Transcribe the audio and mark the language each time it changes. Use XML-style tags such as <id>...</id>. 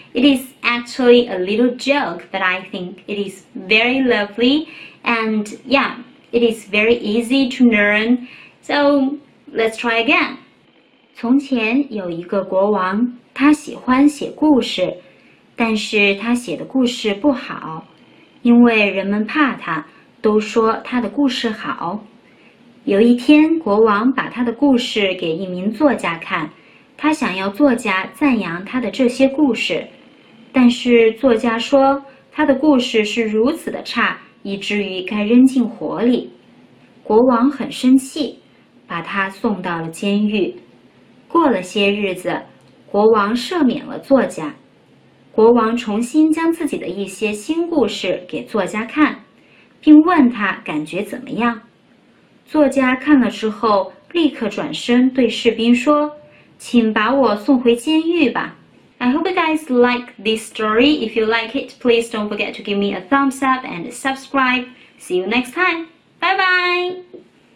<en>It is actually a little joke, but I think it is very lovely. And yeah, it is very easy to learn. So let's try again.</en> <zh>从前有一个国王，他喜欢写故事，但是他写的故事不好，因为人们怕他，都说他的故事好。有一天，国王把他的故事给一名作家看，他想要作家赞扬他的这些故事，但是作家说他的故事是如此的差，以至于该扔进火里。国王很生气，把他送到了监狱。过了些日子，国王赦免了作家。国王重新将自己的一些新故事给作家看，并问他感觉怎么样。作家看了之后，立刻转身对士兵说，请把我送回监狱吧。</zh> <en>I hope you guys like this story. If you like it, please don't forget to give me a thumbs up and subscribe. See you next time. Bye bye!</en>